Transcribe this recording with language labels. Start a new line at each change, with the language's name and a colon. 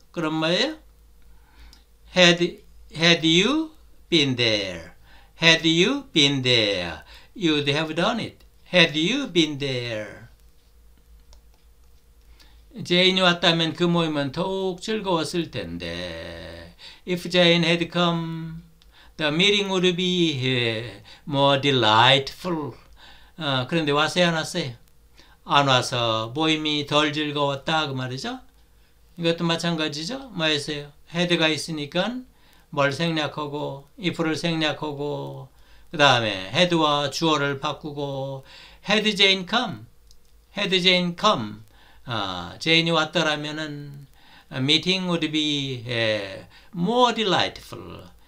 Korean: 그런 말이에요.
English: Had you been there? Had you been there? You'd have done it. Had you been there?
Korean: 제인이 왔다면 그 모임은 더욱 즐거웠을 텐데.
English: If Jane had come, the meeting would be more delightful.
Korean: 그런데 왔어요, 안 왔어요? 안 와서 모임이 덜 즐거웠다. 그 말이죠. 이것도 마찬가지죠. 뭐 했어요? 헤드가 있으니까 뭘 생략하고 if를 생략하고 그 다음에 헤드와 주어를 바꾸고
English: had Jane come
Korean: 제인이 왔더라면은
English: a meeting would be more delightful.